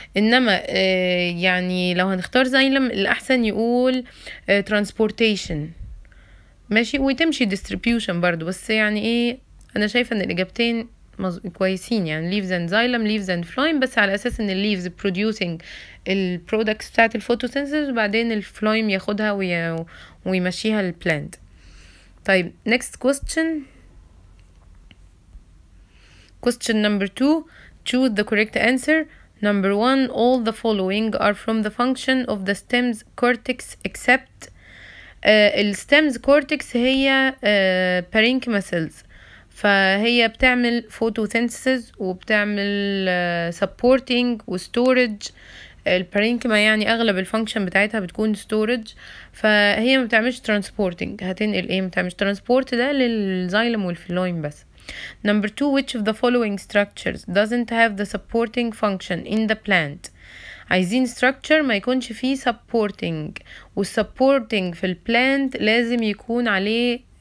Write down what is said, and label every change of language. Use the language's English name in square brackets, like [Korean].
[Arabic] انما يعني لو هنختار زايلم الاحسن يقول ترانسبورتيشن، ماشي، وتمشي ديستريبيوشن برضو، بس يعني ايه، انا شايفه ان الاجابتين كويسين، يعني [English] leaves and xylem، leaves and phloem، [Arabic] بس على أساس إن [English] leaves producing [Arabic] البرودكتس بتاعت الفوتوسينثيز وبعدين الفلويم ياخدها ويمشيها للبلانت. [English] طيب next question number two, choose the correct answer. Number one, all the following are from the function of the stem's cortex except stem's cortex هي parenchyma cells، [Arabic] فهي بتعمل [English] photosynthesis [Arabic] وبتعمل [English] supporting وstorage. [Arabic] البارينكما يعني اغلب الفانكشن بتاعتها بتكون storage، فهي ما بتعملش transporting. هتنقل ايه؟ ما بتعملش transport، ده للزايلم والفلويم بس. [English] Number two, which of the following structures doesn't have the supporting function in the plant؟ [Arabic] عايزين structure ما يكونش فيه supporting، والsupporting في البلانت لازم يكون عليه